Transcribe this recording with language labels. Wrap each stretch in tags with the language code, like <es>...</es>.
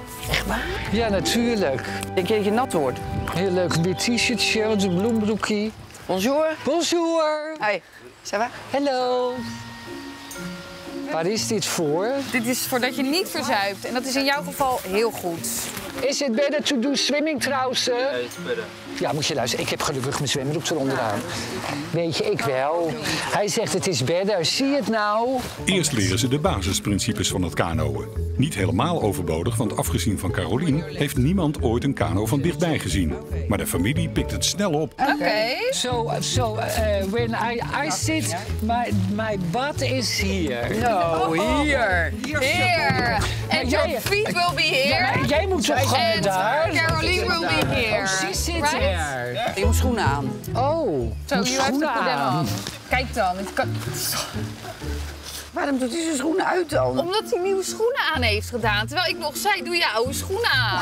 <nl>Echt waar? Ja, natuurlijk. Denk je dat je nat wordt? Heel leuk. Een t-shirtje, een bloembroekje.</nl> <fr>Bonjour. Bonjour.</fr> <nl>Hoi.</nl> <fr>Ça va?</fr> <en>Hello.</en> <nl>Waar is dit voor? Dit is voordat je niet verzuipt. En dat is in jouw geval heel goed.</nl> <en>Is it better to do swimming</en> <nl>trouwens? Nee, het is better. Ja, moet je luisteren. Ik heb gelukkig mijn zwembroek eronder aan. Ja. Weet je, ik wel. Hij zegt het is better. Zie het nou. Eerst leren ze de basisprincipes van het kanoën. Niet helemaal overbodig, want afgezien van Carolien... heeft niemand ooit een kano van dichtbij gezien. Maar de familie pikt het snel op. Oké.</nl> <en>So, when I sit, my butt is here. No, here. And your feet will be here.</en> <nl>Ja, jij moet toch gaan daar?</nl> <en>Carolien will be here. Oh, she sits right there.</en> <nl>Je moet schoenen aan. Oh, so moet schoenen aan. Kijk dan. Het kan... Waarom doet hij zijn schoenen uit dan? Omdat hij nieuwe schoenen aan heeft gedaan. Terwijl ik nog zei, doe je oude schoenen aan.</nl>